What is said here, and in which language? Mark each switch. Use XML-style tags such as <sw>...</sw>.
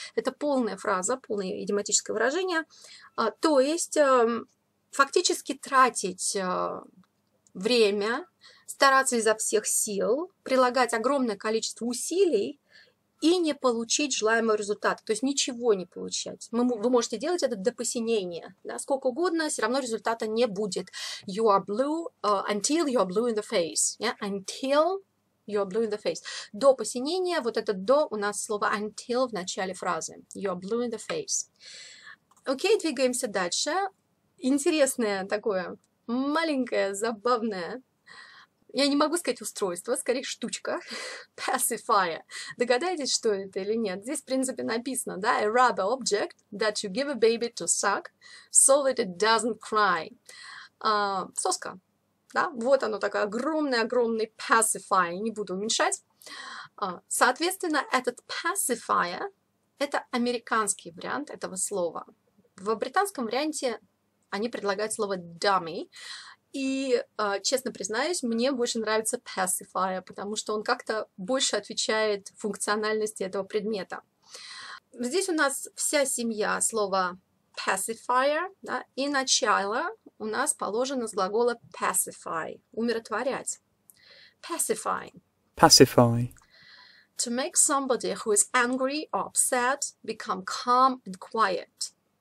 <ru>Это полная фраза, полное идиоматическое выражение. То есть фактически тратить время, стараться изо всех сил, прилагать огромное количество усилий, и не получить желаемый результат, то есть ничего не получать. Вы можете делать это до посинения, да, сколько угодно, все равно результата не будет.</ru> <en>You are blue until you are blue in the face. Yeah? Until you are blue in the face.</en> <ru>До посинения, вот это до, у нас слово until в начале фразы.</ru> <en>You are blue in the face.</en> <ru>Окей, двигаемся дальше. Интересное такое, маленькое, забавное. Я не могу сказать устройство, скорее штучка.</ru> <en>Pacifier.</en> <ru>Догадайтесь, что это или нет? Здесь, в принципе, написано, да?</ru> <en>A rubber object that you give a baby to suck so that it doesn't cry.</en> <ru>Соска, да? Вот оно такое, огромный-огромный pacifier. Не буду уменьшать. Соответственно, этот pacifier – это американский вариант этого слова. В британском варианте они предлагают слово dummy. И, честно признаюсь, мне больше нравится pacifier, потому что он как-то больше отвечает функциональности этого предмета. Здесь у нас вся семья слова pacifier, да, и начало у нас положено с глагола pacify, умиротворять.</ru> <en>Pacify. Pacify. To make somebody who is angry or upset become calm and quiet.</en>